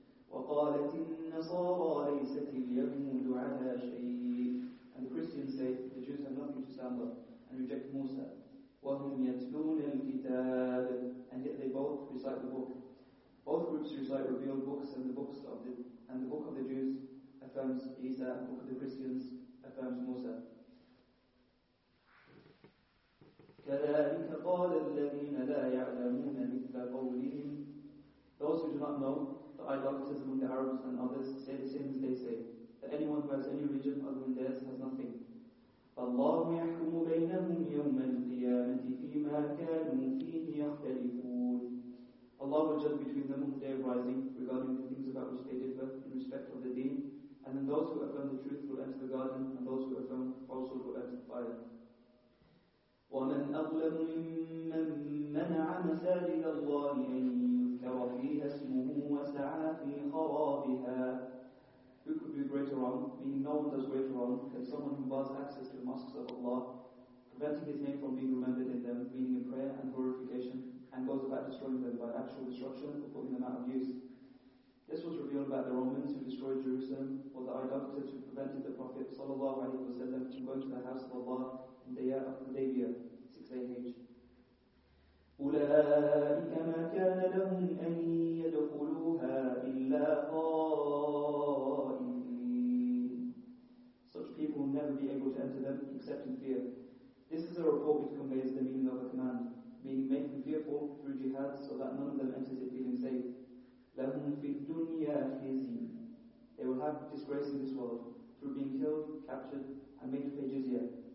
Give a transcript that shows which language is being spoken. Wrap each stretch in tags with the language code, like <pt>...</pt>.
<ar>وقالت النصارى ليست اليهود على شيء.</ar> <en>And the Christians say the Jews have nothing to stand up and reject Musa.</en> <ar>وهم يتلون الكتاب.</ar> <en>And yet they both recite the book. Both groups recite revealed books, and the books of the and the book of the Jews affirms Isa, and the book of the Christians affirms Musa.</en> <ar>كذلك قال الذين لا يعلمون مثل قولهم.</ar> <en>Those who do not know, the idolaters among the Arabs and others, say the same as they say, that anyone who has any religion other than theirs has nothing.</en> <ar>فَاللَّهُ يَحْكُمُ بَيْنَهُمْ يَوْمَ الْقِيَامَةِ فِيمَا كَانُوا فِيهِ يَخْتَلِفُونَ.</ar> <en>Allah will judge between them on the day of rising regarding the things about which they differ in respect of the deen, and then those who affirm the truth will enter the garden, and those who affirm falsehood will enter the fire.</en> <ar>وَمَنْ أَظْلَمُ مِمَّنْ مَنَعَ مَسَاجِدَ اللَّهِ أَنْ يُذْكَرَ فِيهَا اسْمُهُ وَسَعَى فِي خَرَابِهَا.</ar> <en>Who could do greater wrong, meaning no one does greater wrong, than someone who bars access to the mosques of Allah, preventing his name from being remembered in them, meaning in prayer and glorification, and goes about destroying them by actual destruction or putting them out of use. This was revealed about the Romans who destroyed Jerusalem, or the idolaters who prevented the Prophet ﷺ from going to the house of Allah in the year of Hudaybiyah, 6 AH.</en> <ar>أولئك ما كان لهم أن يدخلوها إلا خائفين.</ar> <en>Such people will never be able to enter them except in fear. This is a report which conveys the meaning of a command, meaning make them fearful through jihad so that none of them enters it feeling safe.</en> <ar>لهم في الدنيا خزي.</ar> <en>They will have disgrace in this world through being killed, captured, and made to pay jizya.</en>